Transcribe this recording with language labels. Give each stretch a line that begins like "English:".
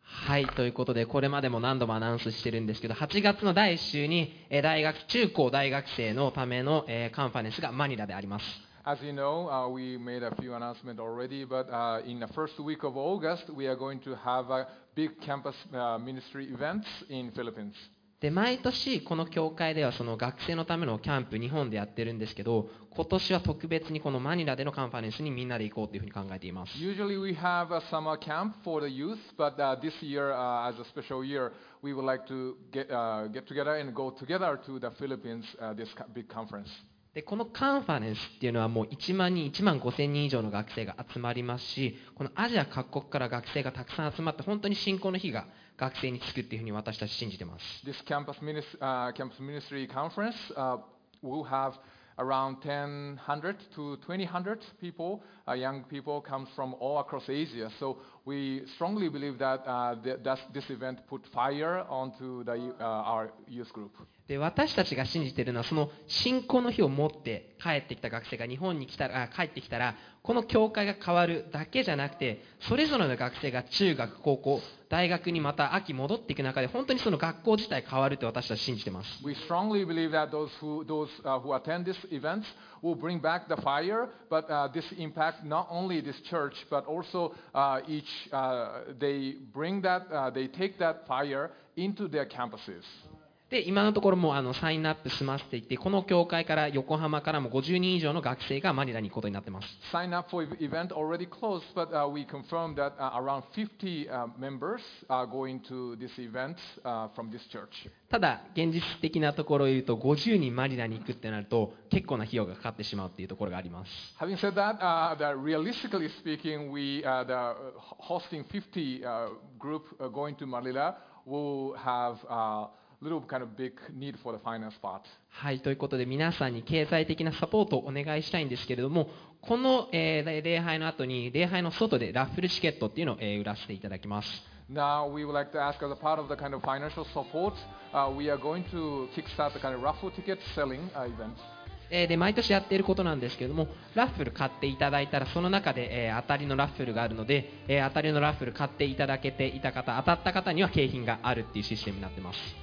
Japanese: はい、ということでこれまでも何度もアナウンスしてるんですけど、8月の第1週に大学中高大学生のためのカンファレンスがマニラであります。
English: As you know, we made a few announcements already, but in the first week of August, we are going to have a big campus ministry event in Philippines.
Japanese: で毎年この教会ではその学生のためのキャンプ日本でやってるんですけど、今年は特別にこのマニラでのカンファレンスにみんなで行こうというふうに考えています。
English: Usually we have a summer camp for the youth, but this year, as a special year, we would like to get together and go together to the Philippines, this big conference.
Japanese: でこのカンファレンスっていうのはもう1万人1万5000人以上の学生が集まりますし、このアジア各国から学生がたくさん集まって本当に信仰の火が学生につくっていうふうに私たち信じてます。
English: This campus ministry conference will have around 1,000 to 2,200 people, young people come from all across Asia. So we strongly believe that this event put fire onto the, our youth group.
Japanese: で私たちが信じているのはその信仰の火を持って帰ってきた学生が日本に来たら帰ってきたらこの教会が変わるだけじゃなくて、それぞれの学生が中学高校大学にまた秋戻っていく中で本当にその学校自体変わると私たちは信じています。
English: We strongly believe that those who attend this event will bring back the fire, but this impact not only this church but also each they bring that they take that fire into their campuses.
Japanese: で今のところもサインアップ済ませていて、この教会から横浜からも50人以上の学生がマニラに行くことになってます。
English: Sign up for event already closed, but we confirmed that around 50 members are going to this event from this church.
Japanese: ただ現実的なところを言うと50人マニラに行くってなると結構な費用がかかってしまうというところがあります。
English: Having said that, realistically speaking, we are hosting 50 group going to Manila will have little kind of big need for the finance part.
Japanese: はい、ということで皆さんに経済的なサポートをお願いしたいんですけれども、この、礼拝の後に礼拝の外でラッフルチケットっていうのを、売らせていただきます。
English: Now we would like to ask as a part of the kind of financial support, we are going to kickstart the kind of raffle ticket selling event.
Japanese: で毎年やっていることなんですけれども、ラッフル買っていただいたらその中で、当たりのラッフルがあるので、当たりのラッフル買っていただけていた方、当たった方には景品があるっていうシステムになってます。